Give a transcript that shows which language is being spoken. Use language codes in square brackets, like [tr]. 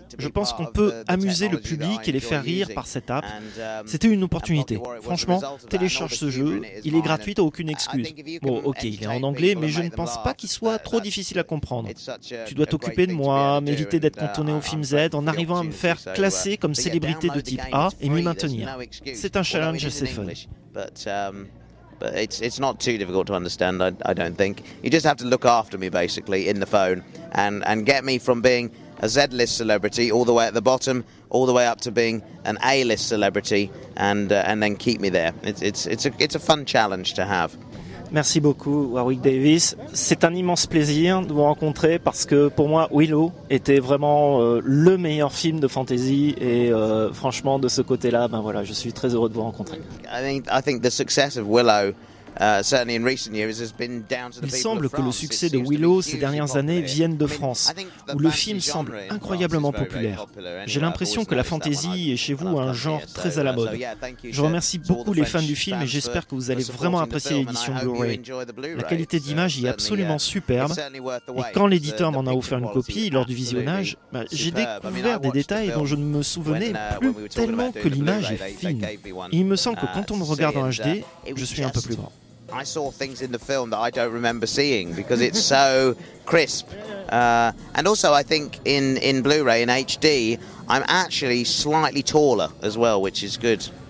[fr] Je pense qu'on peut amuser le public et les faire rire par cette app. C'était une opportunité. Franchement, télécharge ce jeu, il est gratuit, aucune excuse. Bon, ok, il est en anglais, mais je ne pense pas qu'il soit trop difficile à comprendre. Tu dois t'occuper de moi, m'éviter d'être cantonné au film Z, en arrivant à me faire classer comme célébrité de type A et m'y maintenir. C'est un challenge assez fun. [en] But it's not too difficult to understand, I don't think. You just have to look after me, basically, in the phone, and get me from being a Z-list celebrity all the way at the bottom, all the way up to being an A-list celebrity, and then keep me there. It's a fun challenge to have. [fr] Merci beaucoup, Warwick Davis. C'est un immense plaisir de vous rencontrer parce que pour moi, Willow était vraiment le meilleur film de fantasy et franchement, de ce côté-là, ben voilà, je suis très heureux de vous rencontrer. [en] I think the success of Willow. [fr] Il semble que le succès de Willow ces dernières années vienne de France, où le film semble incroyablement populaire. J'ai l'impression que la fantasy est chez vous un genre très à la mode. Je remercie beaucoup les fans du film et j'espère que vous allez vraiment apprécier l'édition Blu-ray. La qualité d'image est absolument superbe et quand l'éditeur m'en a offert une copie lors du visionnage, j'ai découvert des détails dont je ne me souvenais plus tellement que l'image est fine. Et il me semble que quand on me regarde en HD, je suis un peu plus grand. [en] I saw things in the film that I don't remember seeing because it's so crisp. And also I think in Blu-ray, in HD, I'm actually slightly taller as well, which is good.